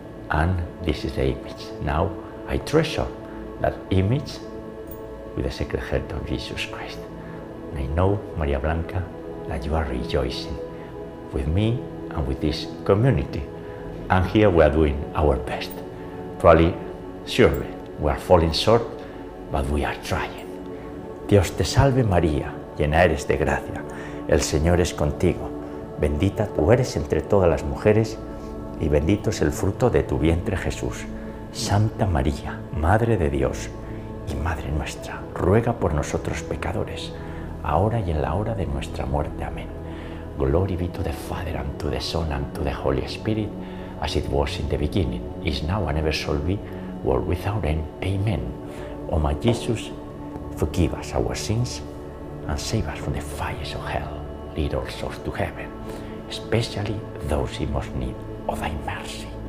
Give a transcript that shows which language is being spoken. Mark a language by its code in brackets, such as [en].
[en] And this is the image. Now I treasure that image with the Sacred Heart of Jesus Christ. And I know, Maria Blanca, that you are rejoicing with me and with this community. And here we are doing our best. Probably, surely, we are falling short, but we are trying. [es] Dios te salve, María, llena eres de gracia. El Señor es contigo. Bendita tú eres entre todas las mujeres y bendito es el fruto de tu vientre, Jesús. Santa María, Madre de Dios y Madre nuestra, ruega por nosotros pecadores, ahora y en la hora de nuestra muerte. Amén. [en] Glory be to the Father, and to the Son, and to the Holy Spirit, as it was in the beginning, is now, and ever shall be, world without end. Amen. O my Jesus, forgive us our sins, and save us from the fires of hell. Lead all souls to heaven, especially those in most need of thy mercy.